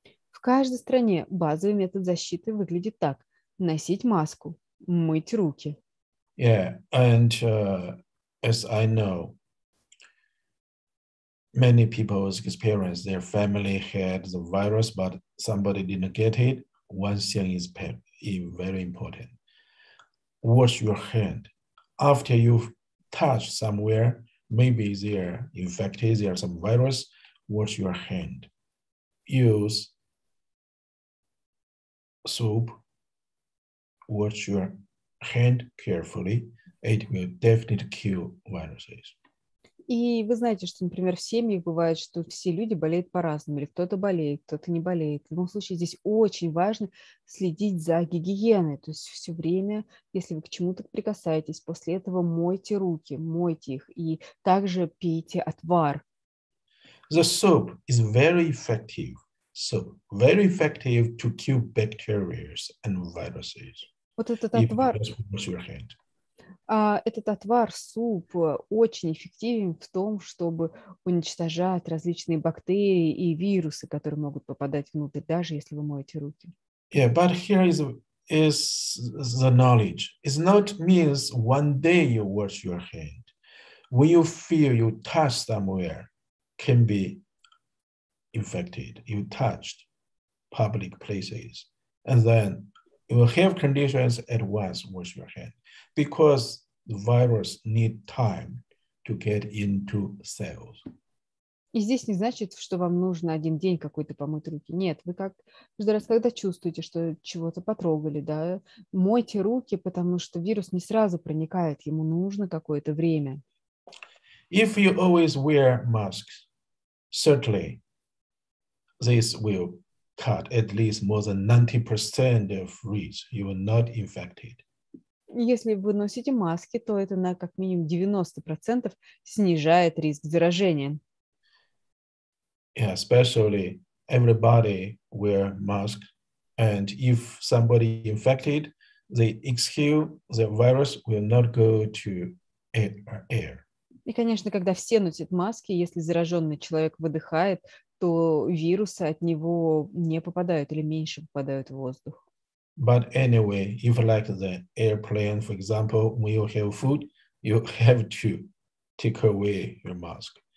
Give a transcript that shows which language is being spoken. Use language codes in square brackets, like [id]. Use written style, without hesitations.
[ru] В каждой стране базовый метод защиты выглядит так: носить маску, мыть руки. [en] Yeah, and as I know, many people's experience, their family had the virus, but somebody didn't get it. One thing is very important: wash your hand. After you touch somewhere, maybe they're infected, there are some virus. Wash your hand. Use soap, wash your hand carefully, it will definitely kill viruses. [ru] И вы знаете, что, например, в семьях бывает, что все люди болеют по-разному, или кто-то болеет, кто-то не болеет. В любом случае, здесь очень важно следить за гигиеной, то есть все время, если вы к чему-то прикасаетесь, после этого мойте руки, мойте их, и также пейте отвар. [en] The soap is very effective. So very effective to kill bacteria and viruses. [ru] Вот этот отвар. Этот отвар, суп, очень эффективен в том, чтобы уничтожать различные бактерии и вирусы, которые могут попадать внутрь, даже если вы моете руки. [en] Yeah, but here is the knowledge. It's not means one day you wash your hand. When you feel you touch somewhere, can be infected. You touched public places, and then you will have conditions at once wash your hand, because the virus need time to get into cells. [ru] И здесь не значит, что вам нужно один день какой-то помыть руки. Нет, вы как каждый раз, когда чувствуете, что чего-то потрогали, да, мойте руки, потому что вирус не сразу проникает, ему нужно какое-то время. [en] If you always wear masks, certainly this will cut at least more than 90% of risk. You are not infected. [ru] Если вы носите маски, то это на как минимум 90% снижает риск заражения. [en] Yeah, especially everybody wear mask, and if somebody infected, they exhale, the virus will not go to air. [ru] И, конечно, когда все носят маски, если зараженный человек выдыхает, то вирусы от него не попадают или меньше попадают в воздух. [en] But anyway, if like the airplane, for example, when you have food, you have to take away your mask.